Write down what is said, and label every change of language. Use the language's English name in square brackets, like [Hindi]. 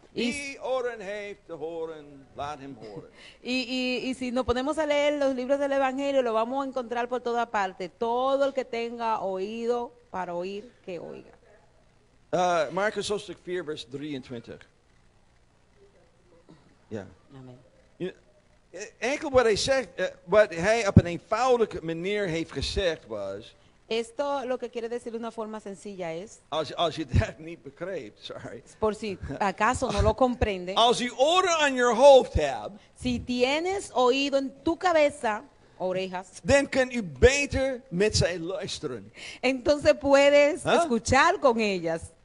[Dutch] Wie oren heeft te horen, laat hem horen. [Spanish] Y si nos ponemos a leer los libros del evangelio, lo vamos a encontrar por toda parte. Todo el que tenga oído para oír, que oiga. [Dutch] Marcus hoofdstuk 4, vers 23. Ja. [English] Yeah. Amen. [Dutch] Enkel wat hij zegt, wat hij op een eenvoudige manier heeft gezegd was. [Spanish] Esto lo que quiere decir de una forma sencilla es. [Dutch] Als je dat niet begreep, sorry. [Spanish] Por si acaso no lo comprende. [Dutch] Als je oren [English] on your [Dutch] hoofd hebt. [Spanish] Si tienes oído en tu cabeza, orejas. [Dutch] Dan kan je beter met zij luisteren. [Spanish] Entonces puedes escuchar con ellas.